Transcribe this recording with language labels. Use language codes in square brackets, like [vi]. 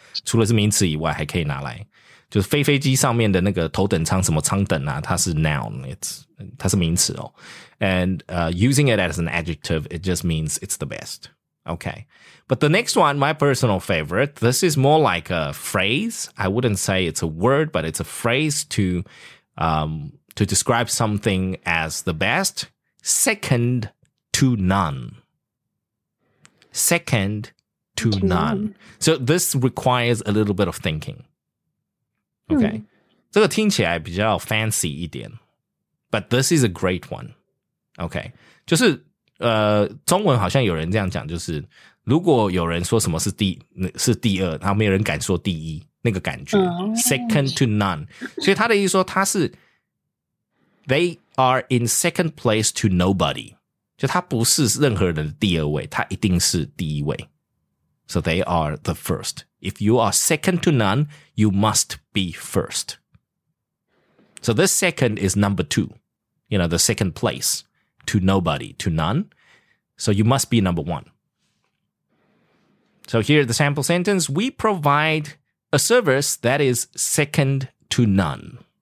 [zh] 除了是名词以外还可以拿来。就是飞飞机上面的那个头等舱什么舱等啊，它是 noun, 它是名词哦。 [en] And using it as an adjective, it just means it's the best. Okay. But the next one, my personal favorite, this is more like a phrase. I wouldn't say it's a word, but it's a phrase to describe something as the best, second to none. Second to none. So this requires a little bit of thinking. Okay. [zh] 这个听起来比较 fancy 一点, [en] but this is a great one. Okay. [zh] 就是中文好像有人这样讲，就是如果有人说什么是第二，然后没有人敢说第一，那个感觉 [en] second to none. [zh] 所以他的意思说他是 [en] They are in second place to nobody. [zh] 就他不是任何人的第二位，他一定是第一位。 [en] So they are the first. If you are second to none, you must be first. So this second is number two. You know, the second place to nobody, to none. So you must be number one. So here the sample sentence, we provide a service that is second to none.